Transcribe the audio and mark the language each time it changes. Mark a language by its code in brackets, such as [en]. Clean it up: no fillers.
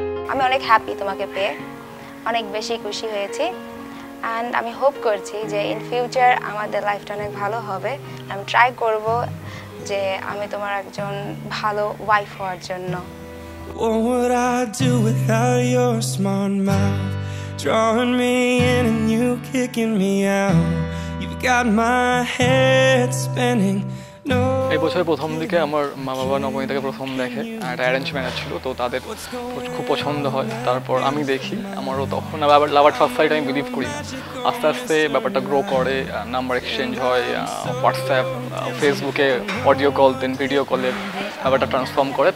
[bn] আমি অনেক হ্যাপি তোমাকে পেয়ে, অনেক বেশি খুশি হয়েছি। অ্যান্ড আমি হোপ করছি যে [en] in future [bn] আমাদের লাইফটা অনেক ভালো হবে। আমি ট্রাই করব যে আমি তোমার একজন ভালো ওয়াইফ হওয়ার জন্য। [en] What would I do without your smart mouth drawing me in and you kicking me out? You've got my head spinning. [bn] এই বছরের প্রথম দিকে আমার মা বাবা নবনীতাকে প্রথম দেখে, একটা অ্যারেঞ্জ ম্যারেজ ছিল, তো তাদের খুব পছন্দ হয়। তারপর আমি দেখি, আমারও তখন আবার [en] lover first sight [bn] আমি বিলিভ করি। আস্তে আস্তে ব্যাপারটা গ্রো করে, নাম্বার এক্সচেঞ্জ হয়, হোয়াটসঅ্যাপ, ফেসবুকে অডিও কল, দেন ভিডিও কলে ব্যাপারটা ট্রান্সফর্ম করে।